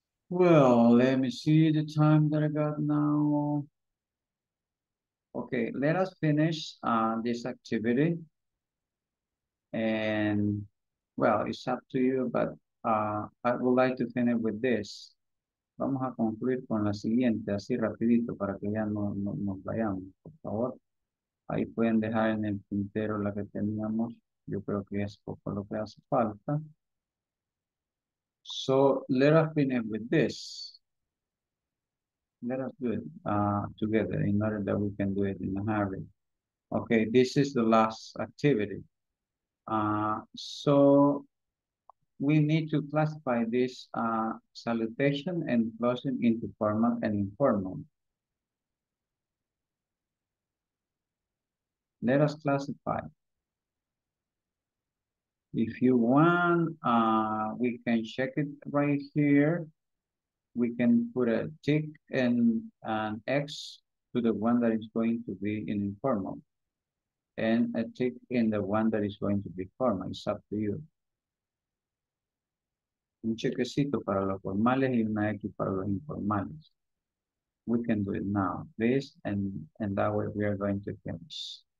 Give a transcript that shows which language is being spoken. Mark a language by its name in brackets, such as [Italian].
[English] Well, let me see the time that I got now. Okay. Let us finish this activity. And, well, it's up to you, but I would like to finish with this. [Spanish] Vamos a concluir con la siguiente, así rapidito, para que ya no vayamos, por favor. Ahí pueden dejar en el tintero la que teníamos. Yo creo que es poco lo que hace falta. [English] So, let us finish with this. Let us do it together in order that we can do it in a hurry. Okay, this is the last activity. So... we need to classify this salutation and closing into formal and informal. Let us classify. If you want, we can check it right here. We can put a tick and an X to the one that is going to be in informal and a tick in the one that is going to be formal. It's up to you. [Spanish] Un chequecito para los formales y una X para los informales. [English] We can do it now. This and that way we are going to finish.